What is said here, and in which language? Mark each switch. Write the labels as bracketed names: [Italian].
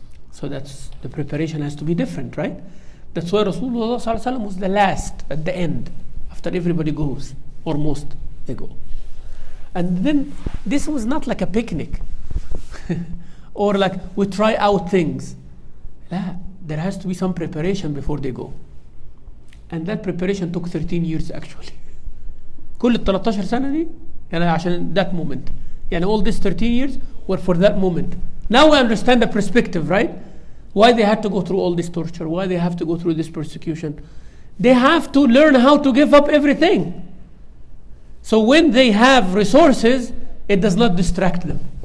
[English] So that's, the preparation has to be different, right? That's why Rasulullah sallallahu alayhi wa sallam was the last at the end, after everybody goes, or most they go. And then this was not like a picnic or like we try out things. Nah, there has to be some preparation before they go. And that preparation took 13 years actually. [Arabic] كل ال 13 سنة دي يعني عشان [English] that moment. [Arabic] يعني [English] all these 13 years were for that moment. Now I understand the perspective, right? Why they had to go through all this torture, why they have to go through this persecution. They have to learn how to give up everything. So when they have resources, it does not distract them.